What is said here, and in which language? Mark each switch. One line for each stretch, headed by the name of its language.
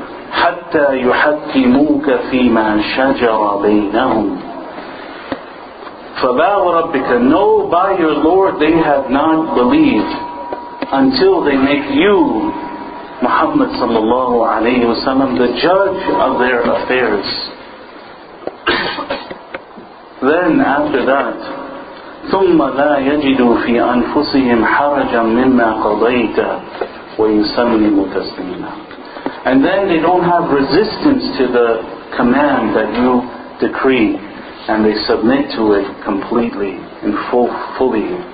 Arabic: حَتَّى يُحَكِّمُوكَ فِي مَا شَجَرَ بَيْنَهُمْ. فَلَا وَرَبِّكَ,
English: no, by your Lord they have not believed until they make you, Muhammad sallallahu alayhi wa sallam, the judge of their affairs. Then after that,
Arabic: ثُمَّ لَا يَجِدُوا فِي أَنفُسِهِمْ حَرَجًا مِمَّا قَضَيْتَ وَيُسَلِّمُوا تَسْلِيمًا.
English: And then they don't have resistance to the command that you decree, and they submit to it completely and fully.